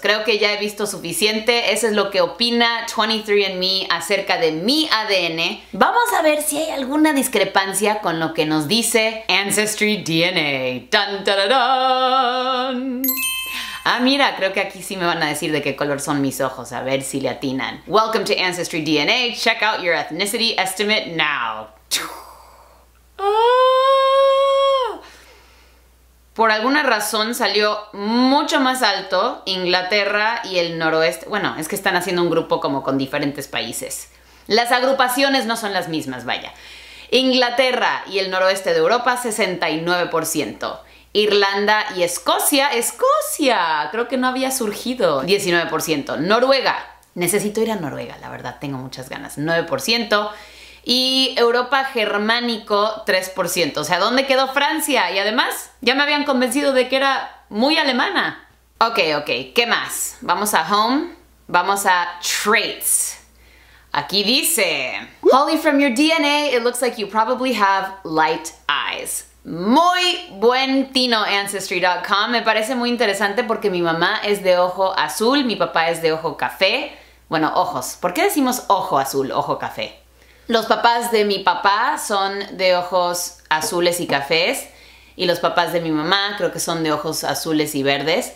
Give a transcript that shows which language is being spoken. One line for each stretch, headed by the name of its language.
Spanish: Creo que ya he visto suficiente. Eso es lo que opina 23andMe acerca de mi ADN. Vamos a ver si hay alguna discrepancia con lo que nos dice Ancestry DNA. ¡Tan, tararán! Ah, mira, creo que aquí sí me van a decir de qué color son mis ojos. A ver si le atinan.
English: Welcome to Ancestry DNA. Check out your ethnicity estimate now. ¡Oh!
Spanish: Por alguna razón salió mucho más alto Inglaterra y el noroeste. Bueno, es que están haciendo un grupo como con diferentes países. Las agrupaciones no son las mismas, vaya. Inglaterra y el noroeste de Europa, 69%. Irlanda y Escocia. ¡Escocia! Creo que no había surgido. 19%. Noruega. Necesito ir a Noruega, la verdad. Tengo muchas ganas. 9%. Y Europa Germánico, 3%. O sea, ¿dónde quedó Francia? Y además, ya me habían convencido de que era muy alemana. Ok, ok. ¿Qué más? Vamos a Home. Vamos a Traits. Aquí dice...
English: Holly, from your DNA, it looks like you probably have light eyes.
Spanish: Muy buen tino, Ancestry.com. Me parece muy interesante porque mi mamá es de ojo azul, mi papá es de ojo café. Bueno, ojos. ¿Por qué decimos ojo azul, ojo café? Los papás de mi papá son de ojos azules y cafés. Y los papás de mi mamá creo que son de ojos azules y verdes.